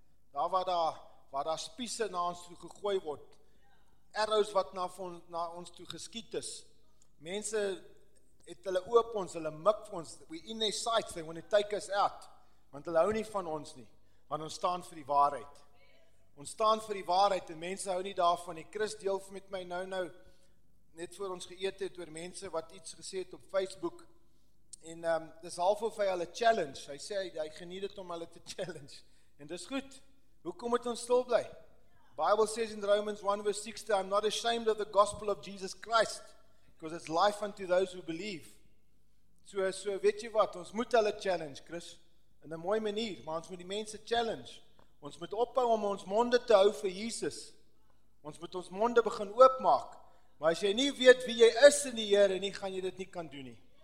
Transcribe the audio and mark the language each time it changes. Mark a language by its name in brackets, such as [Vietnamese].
[Afrikaans] Daar waar daar spiese na ons toe gegooi word. Arrows wat na ons toe geskiet is. Mense het hulle oop ons, hulle mik vir ons. [English] We in their sights, they want to take us out. [Afrikaans] Want hulle hou nie van ons nie. Want ons staan vir die waarheid. Ons staan vir die waarheid en mense hou nie daarvan. Die Chris deel met my nou, net voor ons geëet het, oor mense wat iets gesê het op Facebook. En dis half of hy hulle challenge. Hy sê, hy geniet het om hulle te challenge. En dis goed. Hoekom moet ons stil bly? [English] Bible says in Romans 1 verse 60, I'm not ashamed of the gospel of Jesus Christ, because it's life unto those who believe. [Afrikaans] So weet jy wat, ons moet hulle challenge, Chris, in 'n mooi manier, maar ons moet die mense challenge. Ons moet ophou om ons monde te hou vir Jesus. Ons moet ons monde begin oopmaak. Maar as jy nie weet wie jy is in die Here nie, gaan jy dit nie kan doen nie.